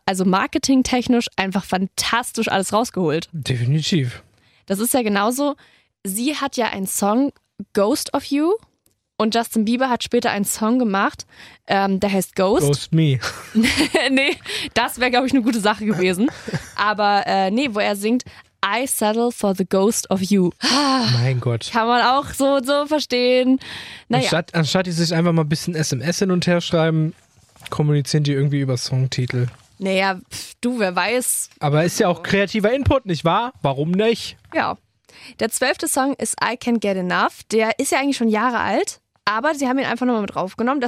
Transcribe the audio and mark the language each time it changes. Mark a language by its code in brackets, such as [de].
[de] Also marketingtechnisch einfach fantastisch alles rausgeholt. Definitiv. Das ist ja genauso. Sie hat ja einen Song, Ghost of You. Und Justin Bieber hat später einen Song gemacht, der heißt Ghost. [en] Ghost me. [de] Nee, das wäre, glaube ich, eine gute Sache gewesen. Aber nee, wo er singt, I settle for the ghost of you. Mein Gott. Kann man auch so verstehen. Naja. Anstatt die sich einfach mal ein bisschen SMS hin und her schreiben, kommunizieren die irgendwie über Songtitel. Naja, wer weiß. Aber ist ja auch kreativer Input, nicht wahr? Warum nicht? Ja. Der 12. Song ist I Can't Get Enough. Der ist ja eigentlich schon Jahre alt, aber sie haben ihn einfach nochmal mit draufgenommen.